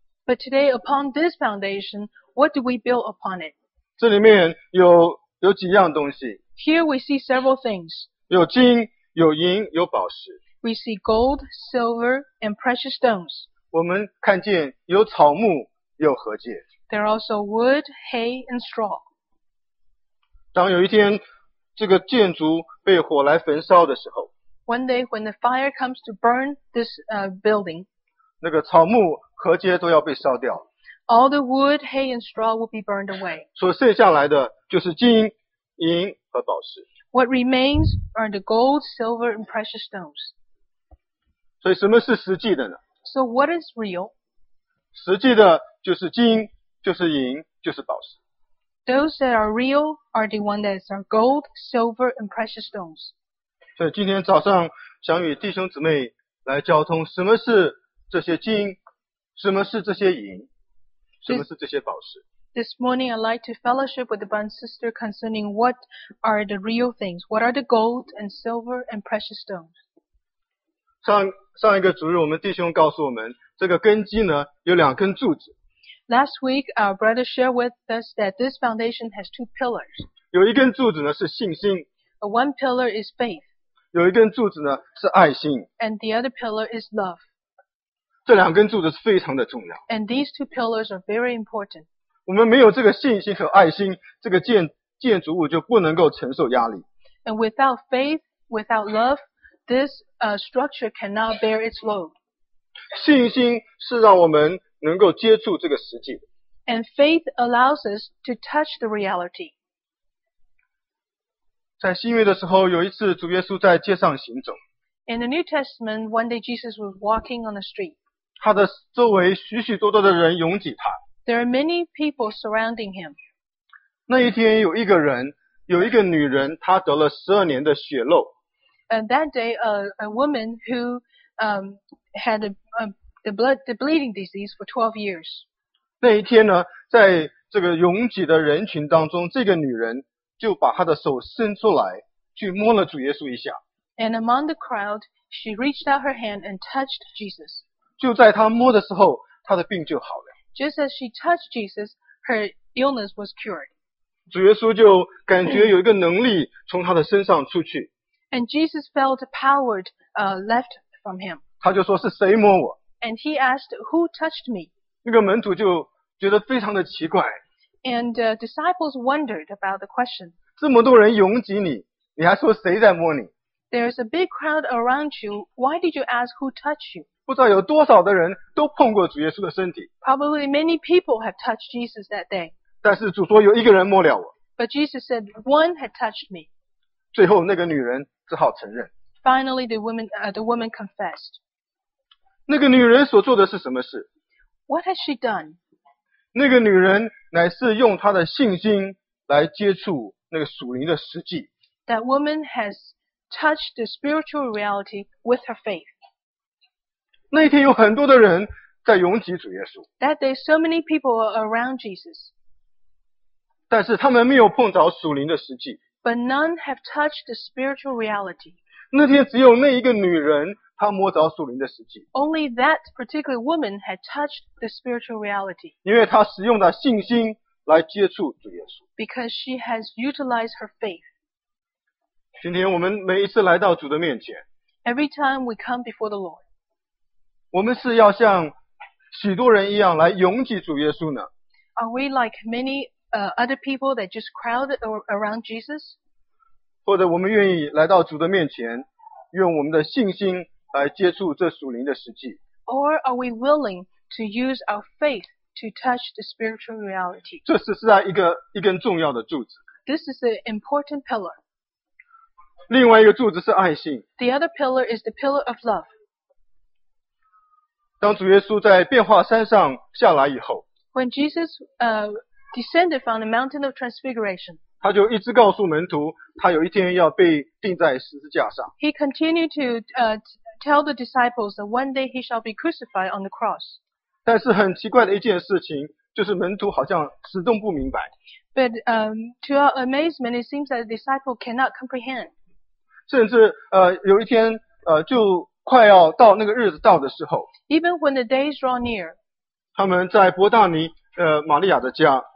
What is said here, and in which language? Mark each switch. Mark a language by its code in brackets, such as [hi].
[en] But today upon this foundation, what do we build upon it? [zh] 这里面有几样东西。 [en] Here we see several things. [zh] 有金，有银，有宝石。 [en] We see gold, silver, and precious stones. [zh] 我们看见有草木，有禾秸。 [en] There are also wood, hay, and straw. [zh] 当有一天这个建筑被火来焚烧的时候， [en] One day when the fire comes to burn this building, [zh] 那个草木禾秸都要被烧掉。 [en] All the wood, hay, and straw will be burned away. [zh] 所剩下来的就是金、银和宝石。 [en] What remains are the gold, silver, and precious stones. [zh] 所以什么是实际的呢？ [en] So what is real? [zh] 实际的就是金、就是银、就是宝石。 [en] Those that are real are the ones that are gold, silver, and precious stones. [zh] 今天早上想与弟兄姊妹来交通，什么是这些金，什么是这些银，什么是这些宝石。 [en] This morning I'd like to fellowship with the Bun Sister concerning what are the real things, what are the gold and silver and precious stones. [zh] 上一个主日我们弟兄告诉我们，这个根基呢有两根柱子。 [en] Last week our brother shared with us that this foundation has two pillars. [zh] 有一根柱子呢是信心。 [en] One pillar is faith. [zh] 有一根柱子呢是爱心。 [en] And the other pillar is love. [zh] 这两根柱子是非常的重要。 [en] And these two pillars are very important. [zh] 我们没有这个信心和爱心，这个建筑物就不能够承受压力。 [en] And without faith, without love, this structure cannot bear its load. [zh] 信心是让我们能够接触这个实际。 [en] And faith allows us to touch the reality. [zh] 在新约的时候，有一次主耶稣在街上行走。 [en] In the New Testament, one day Jesus was walking on the street. [zh] 他的周围许许多多的人拥挤他。 [en] There are many people surrounding him. [zh] 那一天有一个人，有一个女人，她得了12年的血漏。 [en] And that day, a woman who had the bleeding disease for 12 years. [zh] 那一天呢，在这个拥挤的人群当中，这个女人就把他的手伸出来，去摸了主耶稣一下。 [en] And among the crowd, she reached out her hand and touched Jesus. [zh] 就在他摸的时候，他的病就好了。 [en] Just as she touched Jesus, her illness was cured. [zh] 主耶稣就感觉有一个能力从他的身上出去。 [en] And Jesus felt power left from him. [zh] 他就说是谁摸我？ [en] And he asked, who touched me? [zh] 那个门徒就觉得非常的奇怪。 [en] And disciples wondered about the question. [zh] 这么多人拥挤你，你还说谁在摸你？ [en] There's a big crowd around you. Why did you ask who touched you? [zh] 不知道有多少的人都碰过主耶稣的身体。 [en] Probably many people have touched Jesus that day. [zh] 但是主说有一个人摸了我。 [en] But Jesus said one had touched me. [zh] 最后那个女人只好承认。 [en] Finally, the woman confessed. [zh] 那个女人所做的是什么事？ [en] What has she done? [zh] 那个女人乃是用她的信心来接触那个属灵的实际。 [en] That woman has touched the spiritual reality with her faith. [zh] 那一天有很多的人在拥挤主耶稣。 [en] That day so many people were around Jesus. [zh] 但是他们没有碰着属灵的实际。 [en] But none have touched the spiritual reality. [zh] 那天只有那一个女人他摸着属灵的实际。 [en] Only that particular woman had touched the spiritual reality. [zh] 因为他使用了信心来接触主耶稣。 [en] Because she has utilized her faith. [zh] 今天我们每一次来到主的面前。 [en] Every time we come before the Lord. [zh] 我们是要像许多人一样来拥挤主耶稣呢？ [en] Are we like many other people that just crowd around Jesus? [zh] 或者我们愿意来到主的面前，用我们的信心来接触这属灵的实际。 [en] Or are we willing to use our faith to touch the spiritual reality? [zh] 这是实在一根重要的柱子。 [en] This is an important pillar. [zh] 另外一个柱子是爱心。 [en] The other pillar is the pillar of love. [zh] 当主耶稣在变化山上下来以后 [en] ，When Jesus descended from the mountain of transfiguration, [zh] 他就一直告诉门徒，他有一天要被钉在十字架上。 [en] He continued to tell the disciples that one day he shall be crucified on the cross. [zh] 但是很奇怪的一件事情，就是门徒好像始终不明白。 [en] But to our amazement, it seems that the disciple cannot comprehend. [zh] 甚至有一天就快要到那个日子到的时候 [en] ，Even when the days draw near， [zh] 他们在伯大尼玛利亚的家。